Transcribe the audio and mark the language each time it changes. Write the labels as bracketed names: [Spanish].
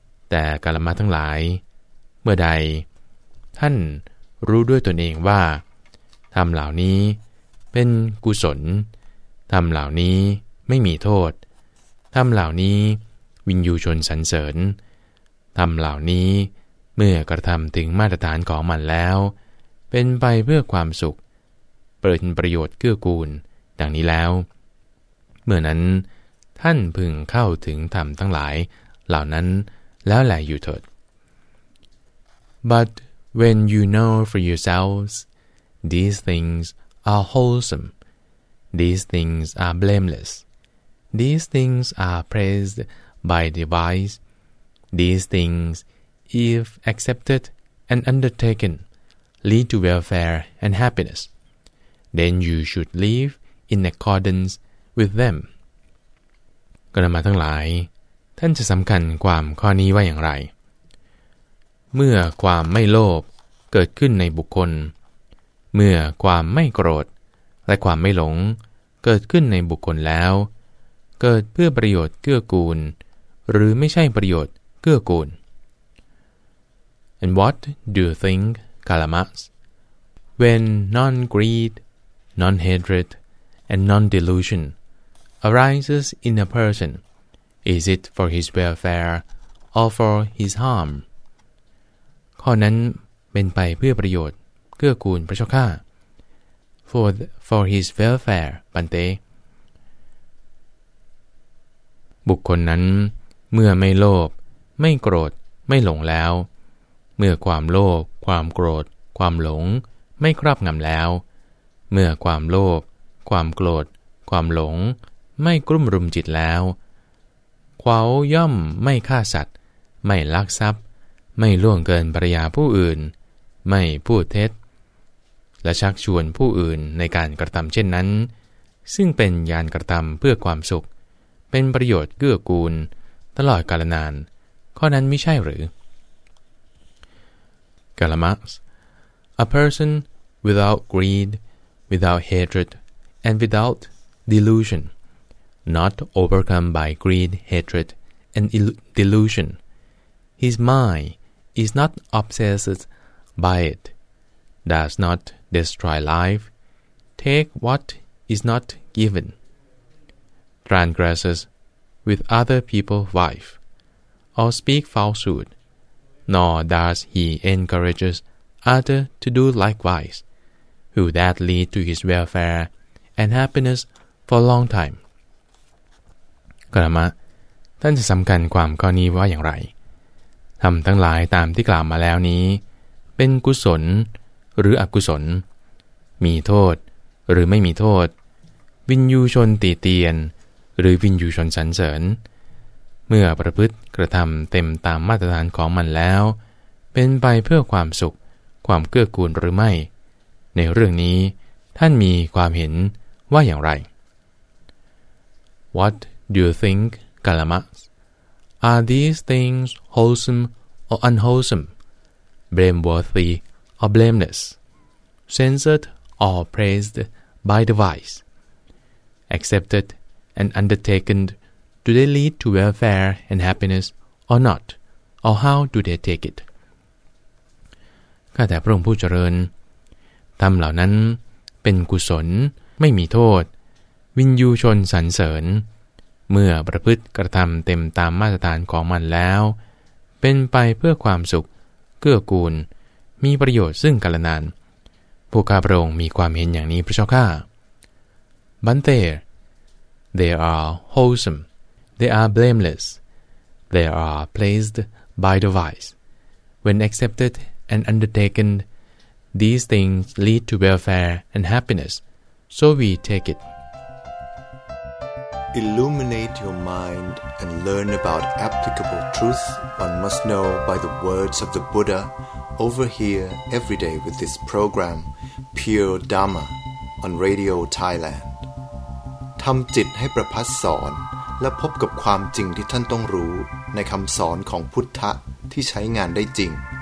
[Thai] แต่กัลมะทั้งหลายเมื่อใดท่านรู้ด้วยตนเองว่าทำเหล่านี้เป็นกุศลทำเหล่านี้ไม่มีโทษทำเหล่านี้วินยูชนสรรเสริญทำเหล่านี้เมื่อกระทำถึงมาตรฐานของมันแล้วเป็นไปเพื่อความสุขเป็นประโยชน์เกื้อกูลดังนี้แล้วเมื่อนั้น ท่านพึงเข้าถึงธรรมทั้งหลายเหล่านั้นแล้วแหละอยู่เถิด [English] But when you know for yourselves these things are wholesome, these things are blameless, these things are praised by the wise, these things, if accepted and undertaken, lead to welfare and happiness, then you should live in accordance with them. [Thai] กรรมทั้งหลายท่านจะสำคัญความข้อนี้ว่าอย่างไรเมื่อความไม่โลภเกิดขึ้นในบุคคลเมื่อความไม่โกรธและความไม่หลงเกิดขึ้นในบุคคลแล้วเกิดเพื่อประโยชน์เกื้อกูลหรือไม่ใช่ประโยชน์เกื้อกูล [English] And what do you think, Kalamas? When non-greed, non-hatred, and non-delusionarises in a person, is it for his welfare or for his harm? [Thai] ข้อนั้นเป็นไปเพื่อประโยชน์เกื้อกูลพระเจ้าข้า [English] for his welfare, Bante. [Thai] บุคคลนั้นเมื่อไม่โลภไม่โกรธไม่หลงแล้วเมื่อความโลภความโกรธความหลงไม่ครอบงำแล้วเมื่อความโลภความโกรธความหลงไม่กลุ้มรุมจิตแล้ว เขาย่อมไม่ฆ่าสัตว์ไม่ลักทรัพย์ไม่ล่วงเกินภรรยาผู้อื่นไม่พูดเท็จและชักชวนผู้อื่นในการกระทำเช่นนั้นซึ่งเป็นยานกระทำเพื่อความสุขเป็นประโยชน์เกื้อกูลตลอดกาลนานข้อนั้นไม่ใช่หรือ [English] Kalamas A person without greed, without hatred, and without delusionNot overcome by greed, hatred, and delusion. His mind is not obsessed by it, does not destroy life, take what is not given, transgresses with other people's wife, or speak falsehood, nor does he encourage others to do likewise, who that lead to his welfare and happiness for a long time. [Thai] กรรมะท่านจะสำคัญความข้อนี้ว่าอย่างไรทำทั้งหลายตามที่กล่าวมาแล้วนี้เป็นกุศลหรืออกุศลมีโทษหรือไม่มีโทษวินยูชนตีเตียนหรือวินยูชนสรรเสริญเมื่อประพฤติกระทำเต็มตามมาตรฐานของมันแล้วเป็นไปเพื่อความสุขความเกื้อกูลหรือไม่ในเรื่องนี้ท่านมีความเห็นว่าอย่างไร [English] WhatDo you think, Kalamas, are these things wholesome or unwholesome, blameworthy or blameless, censored or praised by the wise, accepted and undertaken, do they lead to welfare and happiness or not, or how do they take it? [Thai] ข้าแต่พระองค์ผู้เจริญธรรมเหล่านั้นเป็นกุศลไม่มีโทษวินยูชนสรรเสริญเมื่อประพฤติกระทำเต็มตามมาตรฐานของมันแล้วเป็นไปเพื่อความสุขเกื้อกูลมีประโยชน์ซึ่งกาลนานพวกข้าพระองค์มีความเห็นอย่างนี้พระเจ้าข้า [English] Bante They are wholesome They are blameless They are praised by the wise When accepted and undertaken These things lead to welfare and happiness So we take it Illuminate your mind and learn about applicable truth one must know by the words of the Buddha over here every day with this program Pure Dharma on Radio Thailand [Thai] ทำจิตให้ประพัสสอนและพบกับความจริงที่ท่านต้องรู้ในคำสอนของพุทธะที่ใช้งานได้จริง